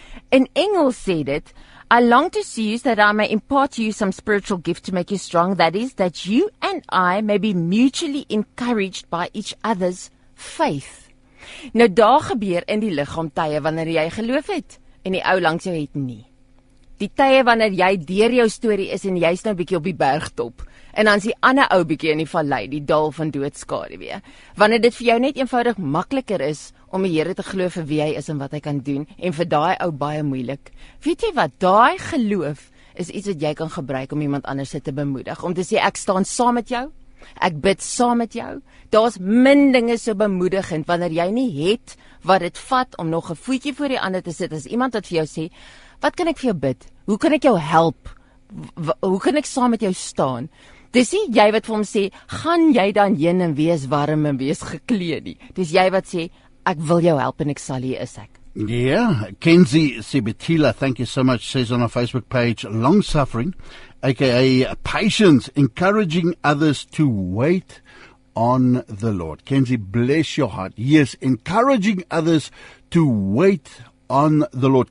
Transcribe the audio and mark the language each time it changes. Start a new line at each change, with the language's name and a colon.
Afrikaans: In Engels sê dit,
English: I long to see you so that I may impart to you some spiritual gift to make you strong, that is that you and I may be mutually encouraged by each other's faith.
Afrikaans: Nou daar gebeur in die liggaam tye wanneer jy geloof het. En die ou langs jou het nie. Die tye wanneer jy deur jou storie is en jy's nou bietjie op die bergtop en dan's die ander ou bietjie in die vallei, die dal van doodskade weer. Wanneer dit vir jou net eenvoudig makliker is om die Here te glo vir wie hy is en wat hy kan doen en vir daai ou baie moeilik. Weet jy wat? Daai geloof is iets wat jy kan gebruik om iemand anders te bemoedig, om te sê ek staan saam met jou. Ek bid saam met jou. Daar's min dinge so bemoedigend wanneer jy nie het wat dit vat om nog 'n voetjie voor die ander te sit as iemand wat vir jou sê, "Wat kan ek vir jou bid? Hoe kan ek jou help? Hoe kan ek saam met jou staan?" Dis nie jy wat vir hom sê, "Gaan jy dan heen en wees warm en wees gekleed nie." Dis jy wat sê, "Ek wil jou help en ek sal hier is ek."
English: Yeah, Kenzie Sibitila, thank you so much, says on our Facebook page, long suffering, aka patience, encouraging others to wait on the Lord. Kenzie, bless your heart. Yes, encouraging others to wait on the Lord.